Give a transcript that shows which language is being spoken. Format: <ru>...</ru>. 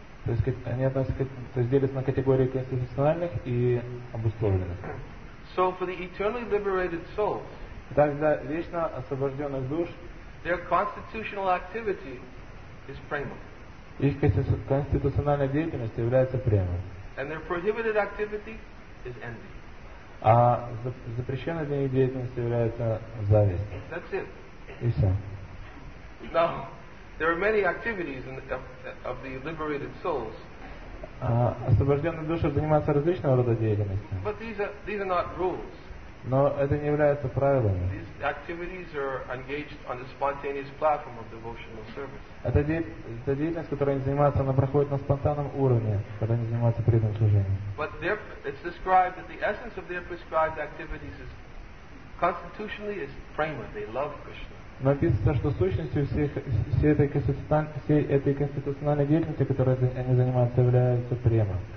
<ru>То есть они относятся, то есть делятся на категории конституциональных и обусловленных.</ru> <en>So for the eternally liberated souls.</en> <ru>Так для вечно освобожденных душ.</ru> <en>Their constitutional activity is prema.</en> <ru>Их конституциональная деятельность является премой.</ru> <en>And their prohibited activity is envy.</en> <ru>А запрещенная для них деятельность является зависть.</ru> <en>That's it.</en> <ru>И все.</ru> <en>Now, there are many activities in the, of the liberated souls.</en> <ru>Освобожденные души занимаются различного рода деятельностью.</ru> <en>But these are not rules.</en> <ru>Но это не является правилами.</ru> <en>These activities are engaged on the spontaneous platform of devotional service.</en> <ru>Это деятельность, которой они занимаются, она проходит на спонтанном уровне, когда они занимаются преданным служением.</ru> <en>But there, it's described that the essence of their prescribed activities is constitutionally is prema. They love Krishna.</en> <ru>Но описывается, что сущностью всей этой конституциональной деятельности, которой они занимаются, является према.</ru>